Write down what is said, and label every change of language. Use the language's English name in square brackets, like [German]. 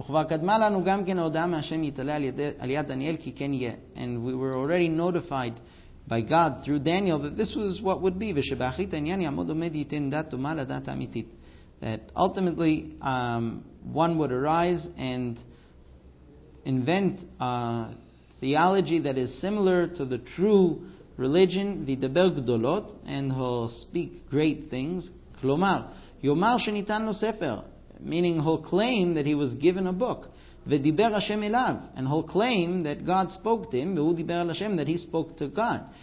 [Hebrew] וכבר קדמה לנו גם כן ההודעה מהשם יתעלה על יד דניאל כי כן יהיה. [English] And we were already notified by God through Daniel that this was what would be. [Hebrew] ושבאחרית העניין יעמוד עומד ייתן דת דומה לדת האמיתית. [English] That ultimately one would arise and invent a theology that is similar to the true religion, [Hebrew] וידבר גדולות, [English] and he'll speak great things. [Hebrew] כלומר, יומר שניתן לו ספר, [English] meaning he'll claim that he was given a book, [Hebrew] ודיבר השם אליו, [English] and he'll claim that God spoke to him, [Hebrew] והוא דיבר על השם, [English] that he spoke to God.